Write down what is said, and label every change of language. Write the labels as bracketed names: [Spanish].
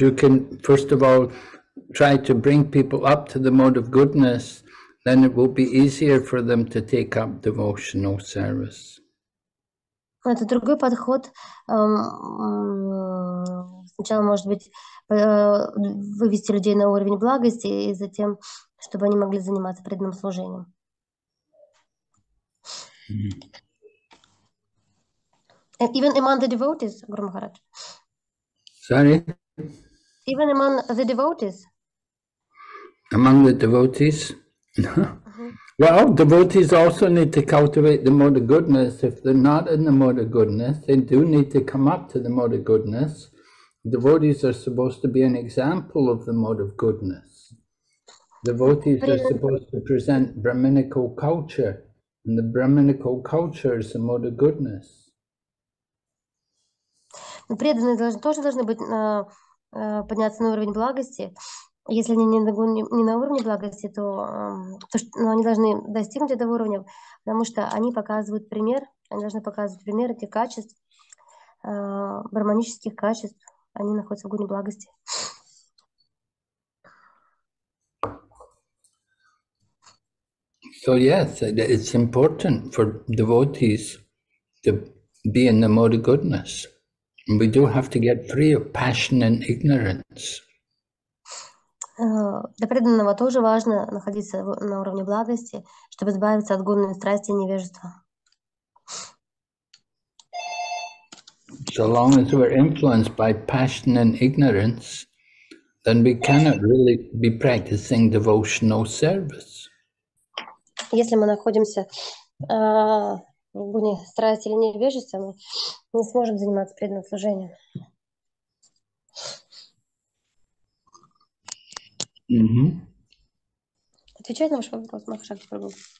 [English] You can, first of all, try to bring people up to the mode of goodness, then it will be easier for them to take up devotional service. [Russian] Это другой подход. Сначала, может быть, вывести людей на уровень благости, и затем чтобы они могли заниматься преданным служением. [English] And even among the devotees, Guru Maharaj. Sorry? Even among the devotees. Among the devotees? Well, devotees also need to cultivate the mode of goodness. If they're not in the mode of goodness, they do need to come up to the mode of goodness. Devotees are supposed to be an example of the mode of goodness. Devotees are supposed to present Brahminical culture, and the Brahminical culture is the mode of goodness. [Russian] Преданные тоже должны быть подняться на уровень благости. Если они не на уровне благости, то они должны достигнуть этого уровня, потому что они показывают пример, они должны показывать пример этих качеств, брахманических качеств. Они находятся в гуне благости. [English] So yes, it's important for devotees to be in the mode of goodness. And we do have to get free of passion and ignorance. [Russian] Для преданного тоже важно находиться на уровне благости, чтобы избавиться от гунной страсти и невежества. [English] So long as we're influenced by passion and ignorance, then we cannot really be practicing devotional service. [Russian] Если мы находимся в гуне страсти или невежества, мы не сможем заниматься преданным служением. Отвечает на ваш вопрос, Махарадж Прабху.